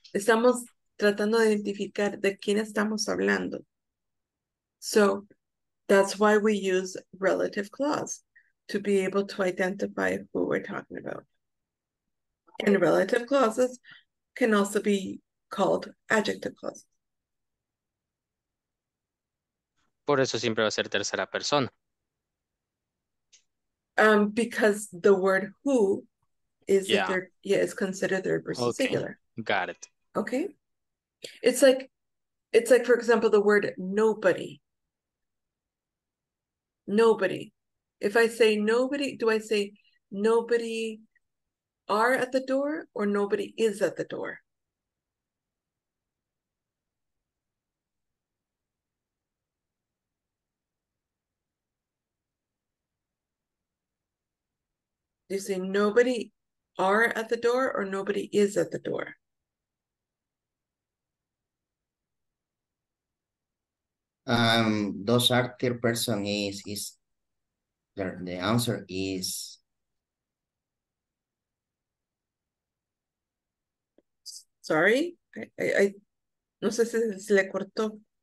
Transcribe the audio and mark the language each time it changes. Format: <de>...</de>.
<es>Estamos tratando de identificar de quién estamos hablando.</es> <en>So that's why we use relative clause to be able to identify who we're talking about. And relative clauses can also be called adjective clauses.</en> <es>Por eso siempre va a ser tercera persona.</es> <en>Because the word who is is considered third person singular. Got it. Okay. It's like for example the word nobody. Nobody. If I say nobody, do I say nobody are at the door or nobody is at the door? Do you say nobody are at the door or nobody is at the door? Those are third person is the answer is. Sorry, I</en> <es>no sé si se le cortó.</es>